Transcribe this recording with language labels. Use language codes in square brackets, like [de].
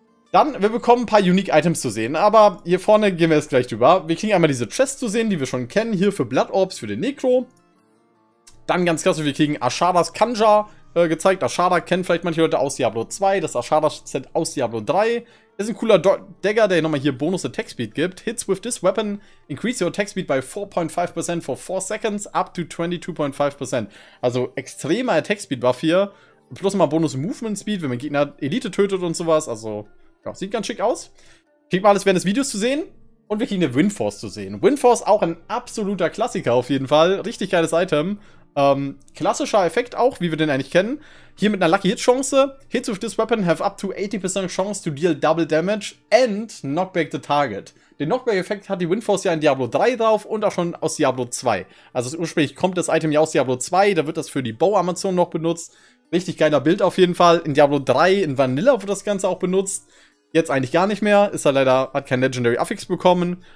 [de] Dann, wir bekommen ein paar Unique Items zu sehen. Aber hier vorne gehen wir jetzt gleich drüber. Wir kriegen einmal diese Chests zu sehen, die wir schon kennen. Hier für Blood Orbs, für den Necro. Dann ganz klasse, wir kriegen Ashadas Kanja gezeigt. Ashada kennen vielleicht manche Leute aus Diablo 2. Das Ashada-Set aus Diablo 3. Ist ein cooler Dagger, der nochmal hier Bonus Attack Speed gibt. [en] Hits with this weapon increase your Attack Speed by 4.5% for 4 seconds up to 22.5%. [de] Also extremer Attack Speed Buff hier. Plus mal Bonus Movement Speed, wenn man Gegner Elite tötet und sowas. Also, ja, sieht ganz schick aus. Kriegt mal alles während des Videos zu sehen. Und wir kriegen eine Windforce zu sehen. Windforce auch ein absoluter Klassiker auf jeden Fall. Richtig geiles Item. Klassischer Effekt auch, wie wir den eigentlich kennen. Hier mit einer Lucky-Hit-Chance. [en] Hits with this weapon have up to 80% chance to deal double damage and knockback the target. [de] Den Knockback-Effekt hat die Windforce ja in Diablo 3 drauf und auch schon aus Diablo 2. Also ursprünglich kommt das Item ja aus Diablo 2, da wird das für die Bow-Amazon noch benutzt. Richtig geiler Bild auf jeden Fall. In Diablo 3 in Vanilla wird das Ganze auch benutzt. Jetzt eigentlich gar nicht mehr, ist er leider, hat kein Legendary Affix bekommen.